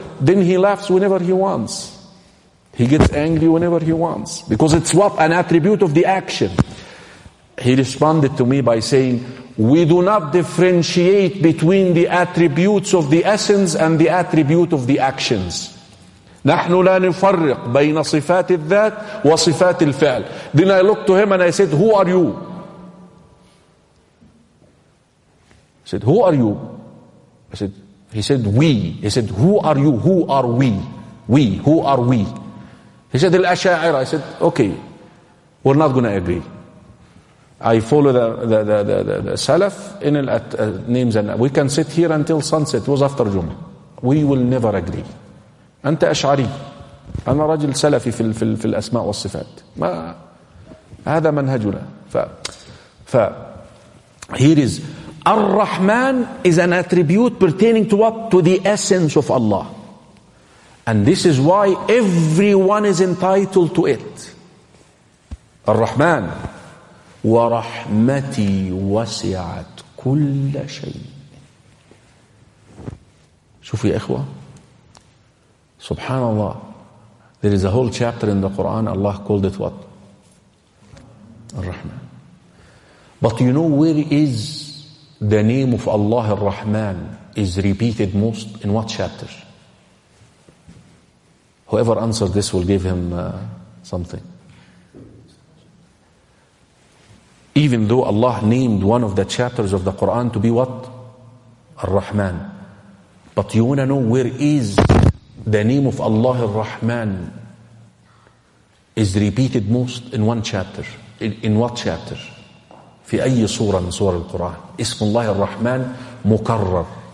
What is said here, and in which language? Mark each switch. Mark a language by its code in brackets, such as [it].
[en] then he laughs whenever he wants. He gets angry whenever he wants. Because it's what? An attribute of the action. He responded to me by saying, we do not differentiate between the attributes of the essence and the attribute of the actions. [ar] نحن لا نفرق بين صفات الذات وصفات الفعل. [en] Then I looked to him and I said, who are you? He said, who are you? He said, we. He said, who are you? Who are we? We, who are we? He said, al-ash'ari. I said, okay, we're not going to agree. I follow the salaf in names and we can sit here until sunset. It was after Jummah. We will never agree. [ar] أنت أشعري أنا رجل سلفي في في الأسماء والصفات ما هذا منهجنا ف [en] here is [ar] الرحمن [en] is an attribute pertaining to what? To the essence of Allah, and this is why everyone is entitled to it. [ar] الرحمن ورحمتي وسعت كل شيء. شوفوا يا إخوة, [en] Subhanallah, there is a whole chapter in the Quran, Allah called it what? Ar-Rahman. But you know where is the name of Allah Ar-Rahman is repeated most? In what chapter? Whoever answers this will give him something. Even though Allah named one of the chapters of the Quran to be what? Ar-Rahman. But you want to know where is the name of Allah Ar-Rahman is repeated most? In one chapter. In what chapter? [ar] في أي سورة من سور القرآن اسم الله الرحمن مكرر.